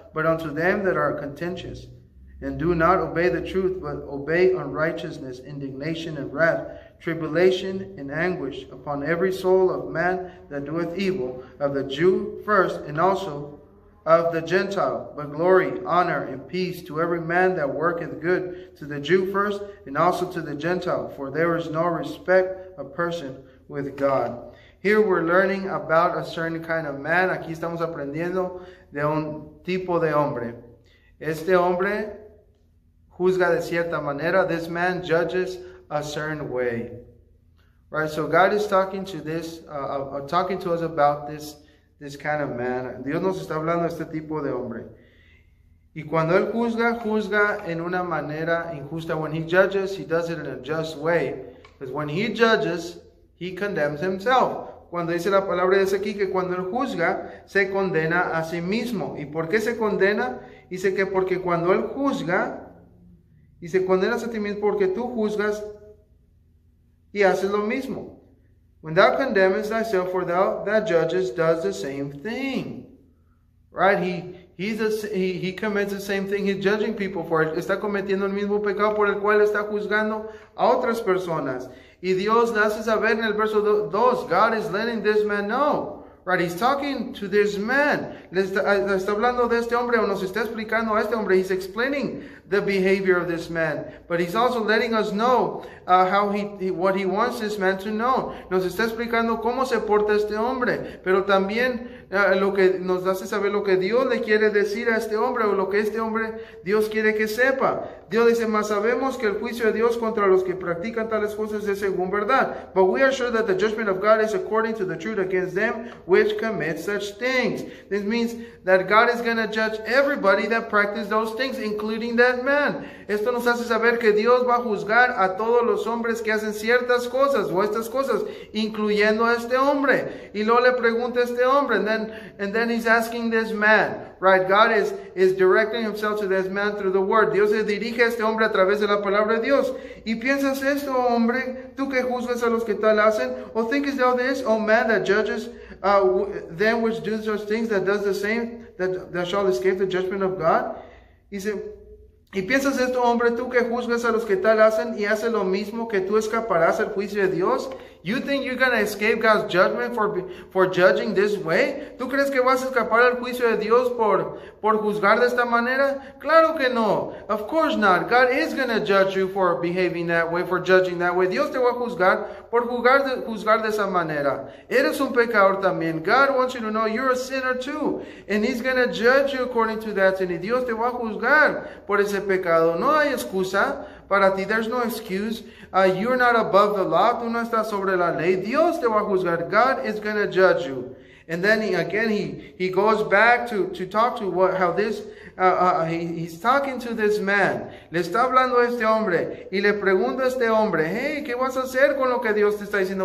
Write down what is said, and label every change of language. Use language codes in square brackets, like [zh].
[en] But unto them that are contentious, and do not obey the truth, but obey unrighteousness, indignation and wrath, tribulation and anguish upon every soul of man that doeth evil, of the Jew first, and also of the Gentile, but glory, honor, and peace to every man that worketh good, to the Jew first, and also to the Gentile, for there is no respect of person with God. Here we're learning about a certain kind of man. [es] Aquí estamos aprendiendo de un tipo de hombre. Este hombre juzga de cierta manera. [en] This man judges a certain way. Right, so God is talking to this, talking to us about this, this kind of man. [es] Dios nos está hablando de este tipo de hombre. Y cuando él juzga, juzga en una manera injusta. [en] When he judges, he does it in a just way. Because when he judges, he condemns himself. [es] Cuando dice la palabra de aquí, que cuando él juzga, se condena a sí mismo. ¿Y por qué se condena? Dice que porque cuando él juzga, y se condena a ti mismo porque tú juzgas y haces lo mismo. [en] When thou condemnest thyself, for thou that judges does the same thing. Right? He commits the same thing. He's judging people for it. [es] Está cometiendo el mismo pecado por el cual está juzgando a otras personas. Y Dios le hace saber en el verso 2, [en] God is letting this man know. Right? He's talking to this man. [es] Está hablando de este hombre, o nos está explicando a este hombre. [en] He's explaining the behavior of this man. But he's also letting us know what he wants this man to know. [es] Nos está explicando cómo se porta este hombre. Pero también lo que nos hace saber lo que Dios le quiere decir a este hombre, o lo que este hombre, Dios quiere que sepa. Dios dice, mas sabemos que el juicio de Dios contra los que practican tales cosas es según verdad. [en] But we are sure that the judgment of God is according to the truth against them which commit such things. This means that God is going to judge everybody that practices those things, including that man. [es] Esto nos hace saber que Dios va a juzgar a todos los hombres que hacen ciertas cosas o estas cosas, incluyendo a este hombre. Y luego le pregunta a este hombre, [en] and then he's asking this man, right? God is directing himself to this man through the word. [es] Dios se dirige a este hombre a través de la palabra de Dios. ¿Y piensas esto, hombre, tú que juzgas a los que tal hacen? [en] ¿O thinkest thou this, O man, that judges them which do such things, that does the same, that shall escape the judgment of God? [es] Dice, ¿y piensas esto, hombre, tú que juzgas a los que tal hacen y haces lo mismo, que tú escaparás al juicio de Dios? [en] You think you're going to escape God's judgment for judging this way? [es] ¿Tú crees que vas a escapar al juicio de Dios por juzgar de esta manera? Claro que no. [en] Of course not. God is going to judge you for behaving that way, for judging that way. [es] Dios te va a juzgar por juzgar de esa manera. Eres un pecador también. [en] God wants you to know you're a sinner too. And he's going to judge you according to that sin. [es] Y Dios te va a juzgar por ese pecado. No hay excusa para ti. [en] There's no excuse. You're not above the law. [es] Tú no estás sobre la ley. Dios te va a juzgar. [en] God is going to judge you. And then he goes back to talk to what, how this he's talking to this man. [es] Le está hablando a este hombre y le pregunta a este hombre, hey, ¿qué vas a hacer con lo que Dios te está diciendo?